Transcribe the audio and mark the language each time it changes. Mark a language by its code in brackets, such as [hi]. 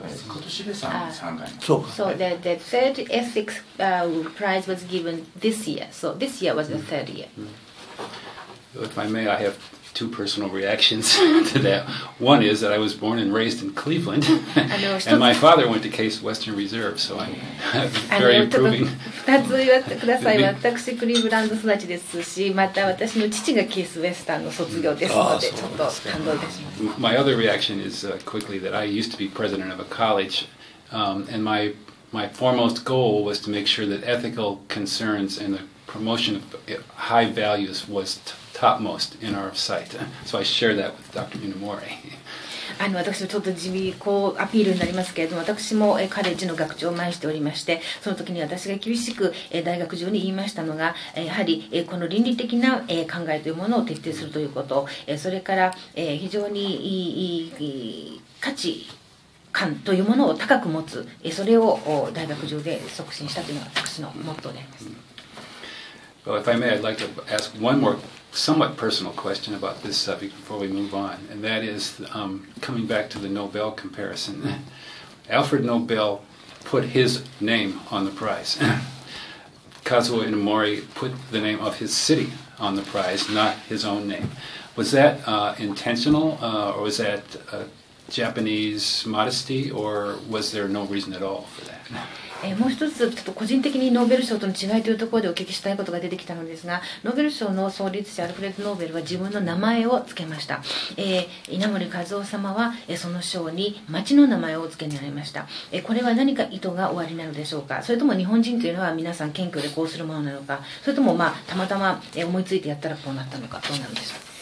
[ja] 今年の9月で3回目ですね。 [en] So the third ethics prize was given this year. So this year was the third year. If I may, I have two personal reactions to that. One is that I was born and raised in Cleveland, and my father went to Case Western Reserve, so I'm very improving. [ja] 2つ言わせてください。私、クリーブランド育ちですし、また私の父がケースウェスタンの卒業ですので、ちょっと感動です。 [en] My other reaction is quickly that I used to be president of a college, and my foremost goal was to make sure that ethical concerns and the promotion of high values was topmost in our sight. So I share that with Dr. Inamori. [ja] 私もちょっと地味こうアピールになりますけれども、私もカレッジの学長を前にしておりまして、その時に私が厳しく大学上に言いましたのが、やはりこの倫理的な考えというものを徹底するということ、それから非常にいい価値感というものを高く持つ、それを大学上で促進したというのが私のモットーであります。 [en] Well, if I may, I'd like to ask one more somewhat personal question about this subject before we move on, and that is coming back to the Nobel comparison. Alfred Nobel put his name on the prize. Kazuo Inamori put the name of his city on the prize, not his own name. Was that intentional, or was that Japanese modesty, or was there no reason at all for that? [ja] もう一つちょっと個人的にノーベル賞との違いというところでお聞きしたいことが出てきたのですが、ノーベル賞の創立者アルフレッド・ノーベルは自分の名前を付けました。稲盛和夫様は、その賞に町の名前を付けになりました。これは何か意図がおありなのでしょうか、それとも日本人というのは皆さん謙虚でこうするものなのか、それともまあたまたま思いついてやったらこうなったのか、どうなんでしょう。